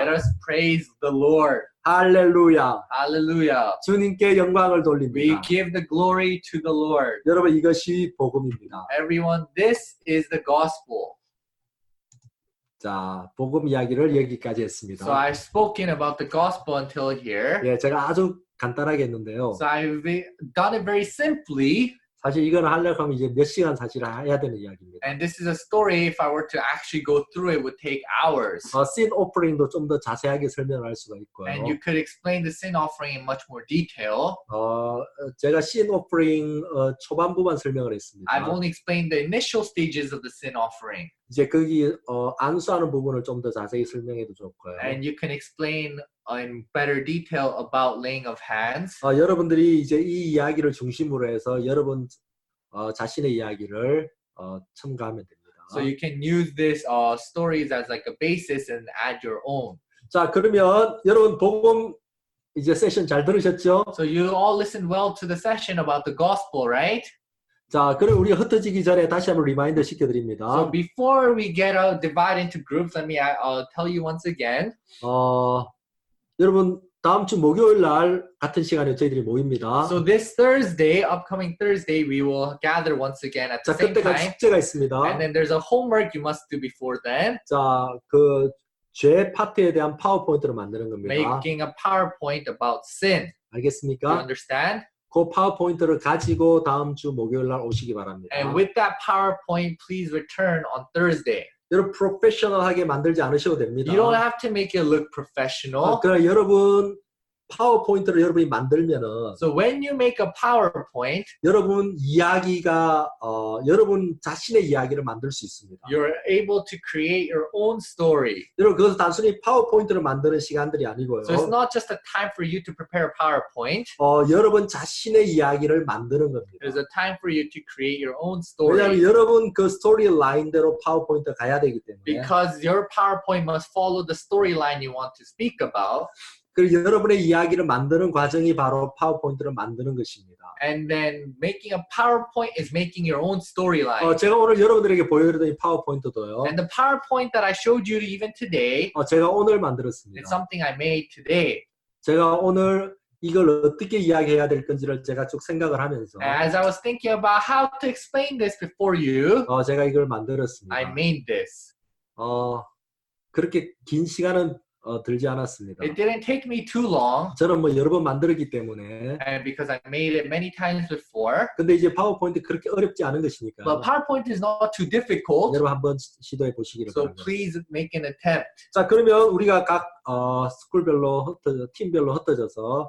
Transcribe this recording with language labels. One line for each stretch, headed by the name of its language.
English: Let us praise the Lord. Hallelujah. Hallelujah.
Korean: 주님께 영광을 돌립니다.
English: We give the glory to the Lord.
Korean: 여러분 이것이 복음입니다.
English: Everyone, this is the gospel.
Korean: 자, 복음 이야기를 여기까지 했습니다.
English: So I've spoken about the gospel until here.
Korean: 예, 제가 아주 간단하게 했는데요.
English: So I've done it very simply.
Korean: 사실 이걸 하려고 하면 이제 몇 시간 사실 해야 되는 이야기입니다.
English: And this is a story if I were to actually go through it would take hours.
Korean: Sin offering도 좀 더 자세하게 설명할 수가 있고요.
English: And you could explain the sin offering in much more detail.
Korean: 제가 sin offering 초반부만 설명을 했습니다.
English: I've only explained the initial stages of the sin offering.
Korean: 이제 거기 안수하는 부분을 좀 더 자세히 설명해도 좋고요.
English: And you can explain in better detail about laying of hands.
Korean: 여러분들이 이제 이 이야기를 중심으로 해서 여러분 자신의 이야기를 첨가하면 됩니다.
English: So you can use this stories as like a basis and add your own.
Korean: 자, 그러면 여러분 복음 이제 세션 잘 들으셨죠?
English: So you all listened well to the session about the gospel, right?
Korean: 자, 그럼 우리 흩어지기 전에 다시 한번 리마인드 시켜 드립니다.
English: So before we get divided into groups, let me tell you once again.
Korean: 여러분 다음 주 목요일 날 같은 시간에 저희들이 모입니다.
English: So this Thursday, upcoming Thursday, we will gather once again at the
Korean: 자,
English: same time.
Korean: 자, 그때가 숙제가 있습니다.
English: And then there's a homework you must do before then.
Korean: 자, 그 죄 파트에 대한 파워포인트를 만드는 겁니다.
English: Making a PowerPoint about sin.
Korean: 알겠습니까?
English: Do you understand?
Korean: 그 파워포인트를 가지고 다음 주 목요일 날 오시기 바랍니다.
English: And with that PowerPoint, please return on Thursday.
Korean: 여러분 프로페셔널하게 만들지 않으셔도 됩니다.
English: You don't have to make it look professional.
Korean: 그러니까 여러분 파워포인트를 여러분이 만들면은
English: So when you make a PowerPoint,
Korean: 여러분 이야기가 여러분 자신의 이야기를 만들 수 있습니다.
English: You're able to create your own story.
Korean: 여러분 그것은 단순히 파워포인트를 만드는 시간들이 아니고요.
English: So it's not just a time for you to prepare a PowerPoint.
Korean: 여러분 자신의 이야기를 만드는 겁니다.
English: It's a time for you to create your own story.
Korean: 왜냐하면 여러분 그 스토리라인대로 파워포인트 가야 되기 때문에.
English: Because your PowerPoint must follow the storyline you want to speak about.
Korean: 그리고 여러분의 이야기를 만드는 과정이 바로 파워포인트를 만드는 것입니다.
English: And then making a PowerPoint is making your own storyline.
Korean: 제가 오늘 여러분들에게 보여드린 파워포인트도요.
English: And the PowerPoint that I showed you even today.
Korean: 제가 오늘 만들었습니다.
English: It's something I made today.
Korean: 제가 오늘 이걸 어떻게 이야기해야 될 건지를 제가 쭉 생각을 하면서
English: As I was thinking about how to explain this before you.
Korean: 제가 이걸 만들었습니다.
English: I made this.
Korean: 그렇게 긴 시간은 들지 않았습니다.
English: It didn't take me too long.
Korean: 저는 뭐 여러 번 만들었기 때문에.
English: And because I made it many times before.
Korean: 근데 이제 파워포인트 그렇게 어렵지 않은 것이니까.
English: But PowerPoint is not too difficult.
Korean: 여러분 한번 시도해 보시기를 바랍니다.
English: So please make an attempt.
Korean: 자, 그러면 우리가 각 스쿨별로 팀별로 흩어져서